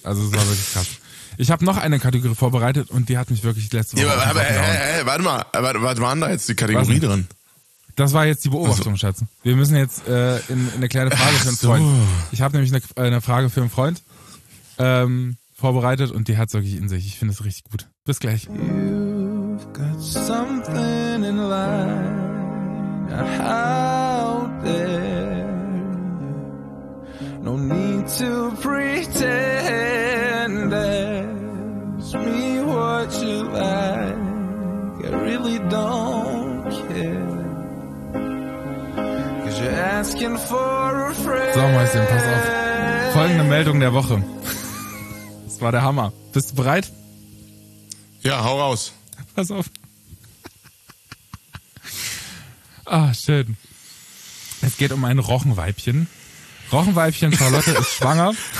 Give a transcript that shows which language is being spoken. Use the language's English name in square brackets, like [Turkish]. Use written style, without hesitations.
[German] Also es war wirklich krass. Ich habe noch eine Kategorie vorbereitet und die hat mich wirklich letzte Woche... Ja, warte mal, was waren da jetzt die Kategorie drin? Das war jetzt die Beobachtung, also, Schatz. Wir müssen jetzt in eine kleine Frage für einen Freund. Ich habe nämlich eine Frage für einen Freund. Vorbereitet und die hat es wirklich in sich. Ich finde es richtig gut. Bis gleich. [English] You've got something in life out there. No need to pretend. Ask me what you like. I really don't care. Cause you're asking for a friend. [German] So, Mäuschen, pass auf. Folgende Meldung der Woche. Das war der Hammer. Bist du bereit? Ja, hau raus. Pass auf. Ah, schön. Es geht um ein Rochenweibchen. Rochenweibchen Charlotte ist schwanger.